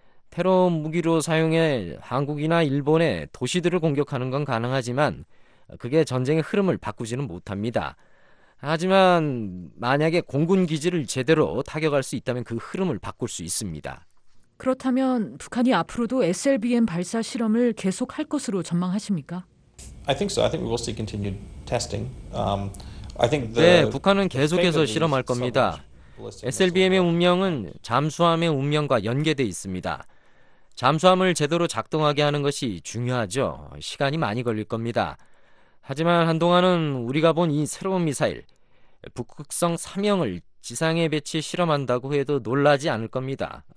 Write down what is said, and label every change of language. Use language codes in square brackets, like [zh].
[ko] 테러 무기로 사용해 한국이나 일본의 도시들을 공격하는 건 가능하지만 그게 전쟁의 흐름을 바꾸지는 못합니다. 하지만 만약에 공군 기지를 제대로 타격할 수 있다면 그 흐름을 바꿀 수 있습니다. 그렇다면 북한이 앞으로도 SLBM 발사 실험을 계속할 것으로 전망하십니까? [en] I think so. I think we will see continued testing. [ko] 네, 북한은 계속해서 실험할 겁니다. SLBM의 운명은 잠수함의 운명과 연계돼 있습니다. 잠수함을 제대로 작동하게 하는 것이 중요하죠. 시간이 많이 걸릴 겁니다. 하지만 한동안은 우리가 본 이 새로운 미사일, 북극성 3형을 지상에 배치 실험한다고 해도 놀라지 않을 겁니다.